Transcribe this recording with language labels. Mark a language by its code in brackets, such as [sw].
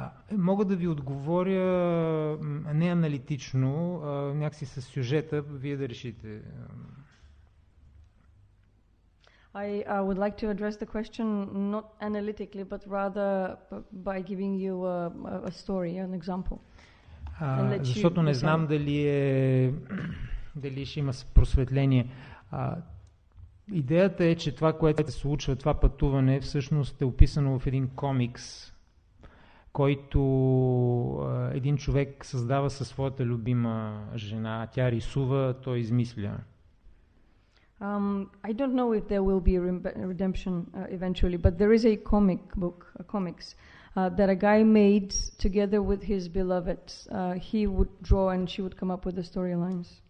[bg] Мога да ви отговоря не аналитично, някакси с сюжета, вие да решите. [en] I would like to address the question not analytically, but rather by giving you a story, an example. [bg] Защото не знам дали ще има просветление. Идеята е, че това, което се случва, това пътуване, всъщност е описано в един комикс, който един човек създава със своята любима жена. Тя рисува, той измисля. [en] I don't know if there will be a redemption eventually, but there is a comic book, a comics, that a guy made together with his beloved. He would draw and she would come up with the storylines.